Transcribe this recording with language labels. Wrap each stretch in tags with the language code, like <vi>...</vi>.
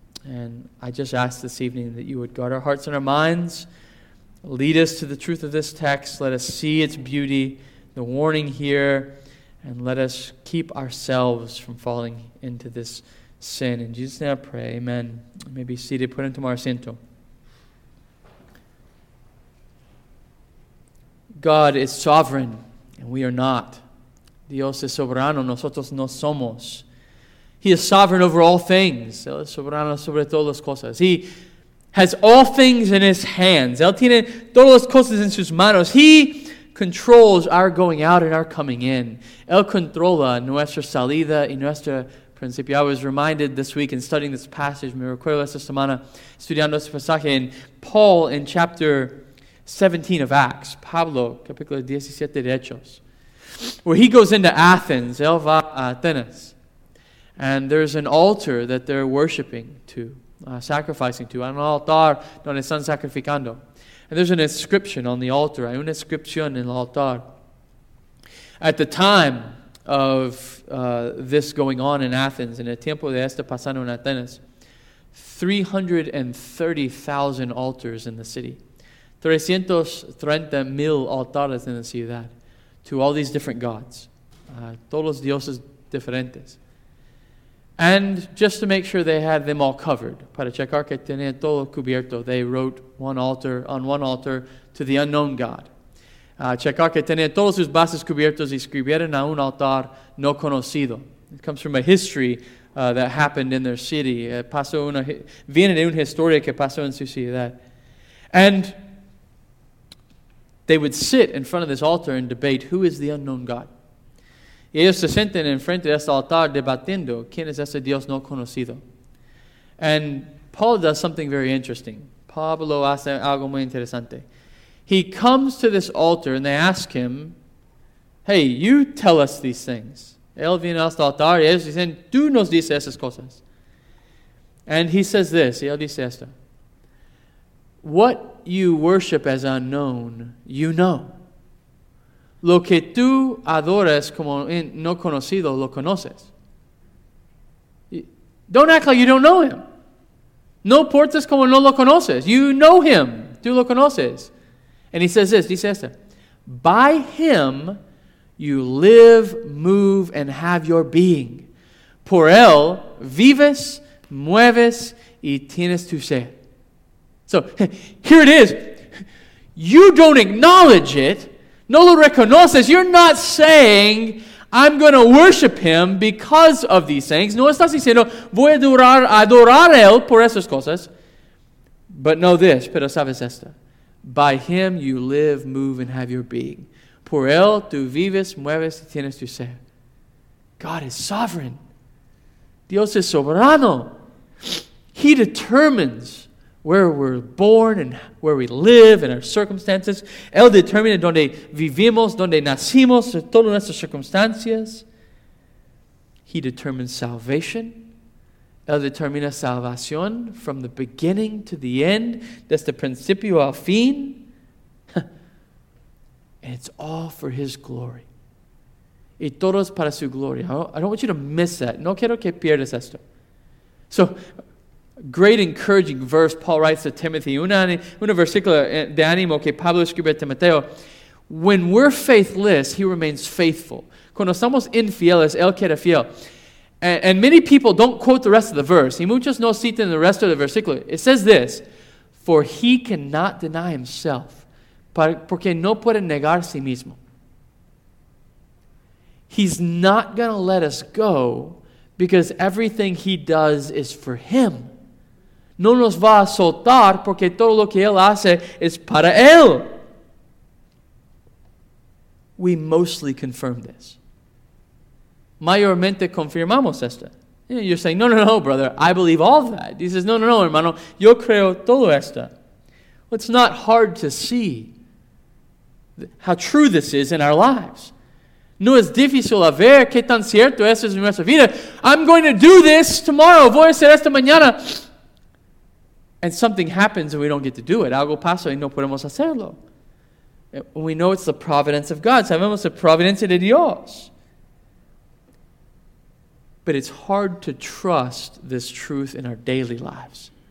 <en>And I just ask this evening that you would guard our hearts and our minds, lead us to the truth of this text, let us see its beauty, the warning here, and let us keep ourselves from falling into this sin. In Jesus' name I pray, amen. You may be seated, put into my asiento. God is sovereign, and we are not.</en> <es>Dios es soberano, nosotros no somos.</es> <en>He is sovereign over all things.</en> <es>Él es soberano sobre todas las cosas.</es> <en>He has all things in his hands.</en> <es>Él tiene todas las cosas en sus manos.</es> <en>He controls our going out and our coming in.</en> <es>Él controla nuestra salida y nuestra principio.</es> <en>I was reminded this week in studying this passage,</en> <es>me recuerdo esta semana estudiando este pasaje,</es> <en>in Paul in chapter 17 of Acts,</en> <es>Pablo, capítulo 17 de Hechos,</es> <en>where he goes into Athens.</en> <es>Él va a Atenas.</es> <en>And there's an altar that they're worshiping to, sacrificing to.</en> <es>Un altar donde están sacrificando.</es> <en>And there's an inscription on the altar.</en> <es>Hay una inscripción en el altar.</es> <en>At the time of this going on in Athens,</en> <es>en el tiempo de esto pasando en Atenas,</es> <en>330,000 altars in the city.</en> <es>330,000 altares en la ciudad</es> <en>to all these different gods.</en> <es>Todos los dioses diferentes.</es> <en>And just to make sure they had them all covered,</en> <es>para checar que tenían todo cubierto,</es> <en>they wrote one altar to the unknown God.</en> <es>Checar que tenían todos sus bases cubiertos y escribieron a un altar no conocido.</es> <en>It comes from a history that happened in their city.</en> <es>Viene de una historia que pasó en su ciudad.</es> <en>And they would sit in front of this altar and debate, who is the unknown God?</en> <es>Y ellos se sienten en frente de este altar debatiendo quién es ese Dios no conocido.</es> <en>And Paul does something very interesting.</en> <es>Pablo hace algo muy interesante.</es> <en>He comes to this altar and they ask him, hey, you tell us these things.</en> <es>Él viene a este altar y ellos dicen, tú nos dices esas cosas.</es> <en>And he says this,</en> <es>y él dice esto.</es> <en>What you worship as unknown, you know.</en> <es>Lo que tú adoras como no conocido, lo conoces.</es> <en>Don't act like you don't know him.</en> <es>No portes como no lo conoces.</es> <en>You know him.</en> <es>Tú lo conoces.</es> <en>And he says this,</en> <es>dice esto.</es> <en>By him you live, move, and have your being.</en> <es>Por él vives, mueves, y tienes tu ser.</es> <en>So, here it is. You don't acknowledge it.</en> <es>No lo reconoces.</es> <en>You're not saying, I'm going to worship him because of these things.</en> <es>No estás diciendo, voy a adorar a él por esas cosas.</es> <en>But know this,</en> <es>pero sabes esto.</es> <en>By him you live, move, and have your being.</en> <es>Por él tú vives, mueves, y tienes tu ser.</es> <en>God is sovereign.</en> <es>Dios es soberano.</es> <en>He determines where we're born and where we live and our circumstances.</en> <es>Él determina donde vivimos, donde nacimos, todas nuestras circunstancias.</es> <en>He determines salvation.</en> <es>Él determina salvación</es> <en>from the beginning to the end,</en> <es>desde principio al fin.</es> <en>And it's all for his glory.</en> <es>Y todo es para su gloria.</es> <en>I don't want you to miss that.</en> <es>No quiero que pierdas esto.</es> <en>So, great encouraging verse Paul writes to Timothy.</en> <es>Una versículo de ánimo que Pablo escribe a Timoteo.</es> <en>When we're faithless, he remains faithful.</en> <es>Cuando somos infieles, él queda fiel.</es> <en>And many people don't quote the rest of the verse.</en> <es>Y muchos no citan el resto del versículo.</es> <en>It says this, For he cannot deny himself,</en> <es>porque no puede negar a sí mismo.</es> <en>He's not going to let us go because everything he does is for him.</en> <es>No nos va a soltar porque todo lo que él hace es para él.</es> <en>We mostly confirm this.</en> <es>Mayormente confirmamos esto.</es> <en>You're saying, no, brother, I believe all of that. He says,</en> <es>no, hermano, yo creo todo esto.</es> <en>Well, it's not hard to see how true this is in our lives.</en> <es>No es difícil a ver qué tan cierto esto es en nuestra vida.</es> <en>I'm going to do this tomorrow.</en> <es>Voy a hacer esto mañana.</es> <en>And something happens and we don't get to do it.</en> <es>Algo pasa y no podemos hacerlo.</es> <en>We know it's the providence of God.</en> <es>Sabemos la providencia de Dios.</es> <en>But it's hard to trust this truth in our daily lives.</en>